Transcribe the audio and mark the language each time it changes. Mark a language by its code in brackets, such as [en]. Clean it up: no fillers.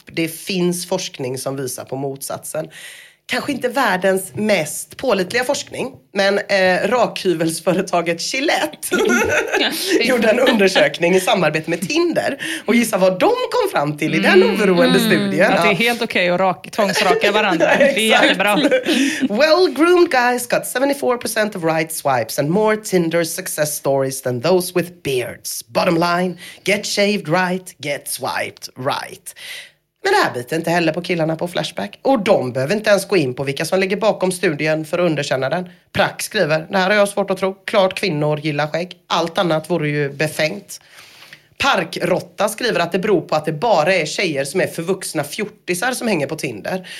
[sv] Det finns forskning som visar på motsatsen. Kanske inte världens mest pålitliga forskning, men rakhyvelsföretaget Gillette gjorde en undersökning i samarbete med Tinder. Och gissa vad de kom fram till i den oberoende studien. Att det är helt okej att tvångsraka varandra. Det är jättebra. [en] Well-groomed guys got 74% of right swipes and more Tinder success stories than those with beards. Bottom line, get shaved right, get swiped right. [sv] Men det här biter inte heller på killarna på Flashback. Och de behöver inte ens gå in på vilka som ligger bakom studien för att underkänna den. Prax skriver, det här har jag svårt att tro. Klart kvinnor gillar skägg. Allt annat vore ju befängt. Parkrotta skriver att det beror på att det bara är tjejer som är förvuxna fjortisar som hänger på Tinder.